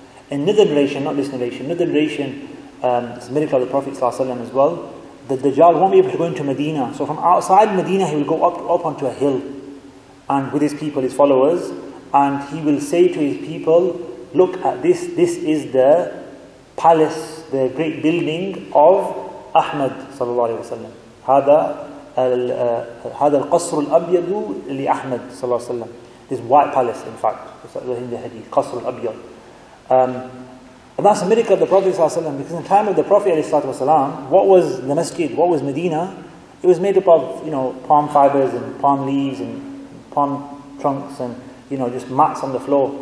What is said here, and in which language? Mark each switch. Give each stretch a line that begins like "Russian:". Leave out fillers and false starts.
English: Another narration, not this narration, another narration, it's a miracle of the Prophet sallallahu alayhi wa sallam as well, the Dajjal won't be able to go into Medina. So from outside Medina, he will go up onto a hill and with his people, his followers, and he will say to his people, look at this, this is the palace, the great building of Ahmad sallallahu alayhi wa sallam.
Arabic: هذا القصر الأبيض لأحمد صلى الله عليه وسلم.
English: This white palace, in fact, in the hadith,
Arabic: قصر الأبيض.
English: And that's a miracle of the Prophet صلى الله عليه وسلم, because in the time of the Prophet عليه الصلاة والسلام, what was the masjid, what was Medina? It was made up of, you know, palm fibers and palm leaves and palm trunks and, you know, just mats on the floor.